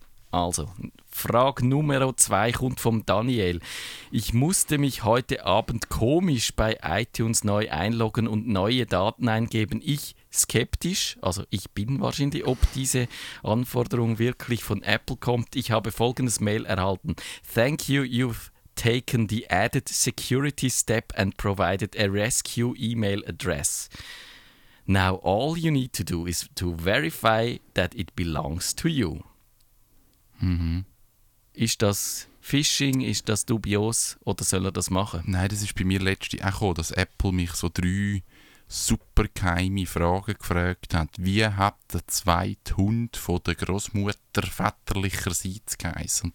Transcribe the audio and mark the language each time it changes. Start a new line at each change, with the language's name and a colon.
German: Also, Frage Nummer 2 kommt vom Daniel. Ich musste mich heute Abend komisch bei iTunes neu einloggen und neue Daten eingeben. Ich skeptisch, also ich bin wahrscheinlich, ob diese Anforderung wirklich von Apple kommt. Ich habe folgendes Mail erhalten.
English: Thank you, you've taken the added security step and provided a rescue email address. Now all you need to do is to verify that it belongs to you. Mhm.
German: Ist das Phishing, ist das dubios oder soll er das machen? Nein, das ist bei mir letzte auch gekommen, dass Apple mich so 3 super geheime Fragen gefragt hat. Wie hat der zweite Hund von der Grossmutter väterlicherseits geheißen?